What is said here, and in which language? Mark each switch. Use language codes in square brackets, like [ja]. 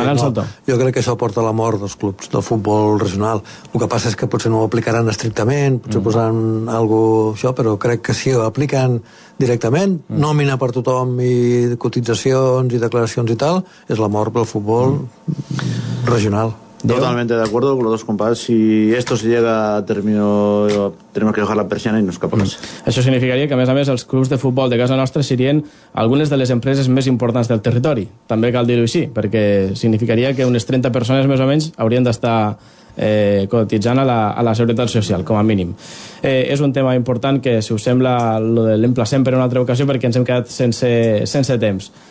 [ca] jo crec que això porta la mort dels clubs de futbol regional. El que passa és que potser no ho aplicaran estrictament, potser posant alguna cosa, però crec que sí, ho apliquen directament, nòmina per tothom i cotitzacions i declaracions i tal, és la mort pel futbol regional. [es] Totalmente de acuerdo con los dos compadres. Si esto se llega a término, tenemos que dejar la persiana y nos escapamos. [ca] Això significaria que, a més, els clubs de futbol de casa nostra serien algunes de les empreses més importants del territori. També cal dir-ho així, perquè significaria que unes 30 persones, més o menys, haurien d'estar cotitzant a la Seguretat Social, com a mínim. És un tema important que, si us sembla, l'emplacem per una altra ocasió, perquè ens hem quedat sense temps.